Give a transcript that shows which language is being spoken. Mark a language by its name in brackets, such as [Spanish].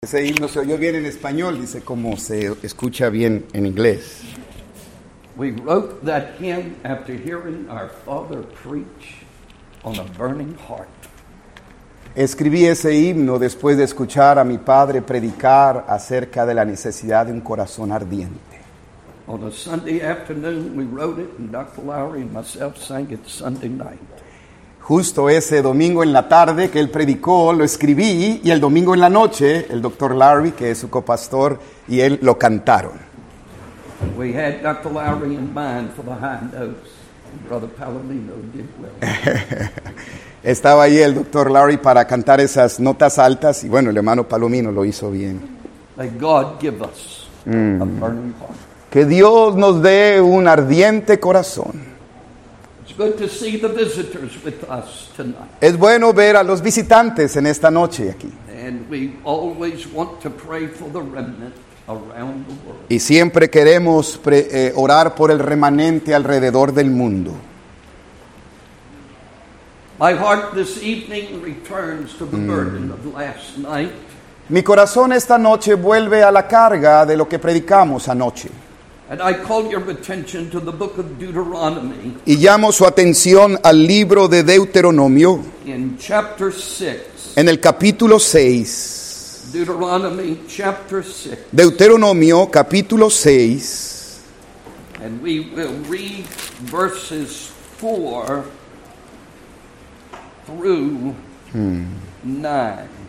[Spanish] Ese himno se oyó bien en español, dice como se escucha bien en inglés. [English] We wrote that hymn after hearing our father preach on a burning heart. [Spanish] Escribí ese himno después de escuchar a mi padre predicar acerca de la necesidad de un corazón ardiente. [English] On a Sunday afternoon, we wrote it, and Dr. Lowry and myself sang it Sunday night. [Spanish] Justo ese domingo en la tarde que él predicó, lo escribí, y el domingo en la noche, el Dr. Lowry, que es su copastor, y él lo cantaron. [English] We had Dr. Lowry in mind for the high notes. Brother Palomino did well. [Spanish] Estaba ahí el Dr. Lowry para cantar esas notas altas, y bueno, el hermano Palomino lo hizo bien. [English] May God give us a burning heart. [Spanish] Que Dios nos dé un ardiente corazón. [English] Good to see the visitors with us tonight. [Spanish] Es bueno ver a los visitantes en esta noche aquí. [English] And we always want to pray for the remnant around the world. [Spanish] Y siempre queremos orar por el remanente alrededor del mundo. [English] My heart this evening returns to the burden of last night. [Spanish] Mi corazón esta noche vuelve a la carga de lo que predicamos anoche. [English] And I call your attention to the book of Deuteronomy. [Spanish] Y llamo su atención al libro de Deuteronomio. [English] In chapter 6. [Spanish] En el capítulo 6. [English] Deuteronomy chapter 6. [Spanish] Deuteronomio capítulo 6. [English] And we will read verses 4 through 9.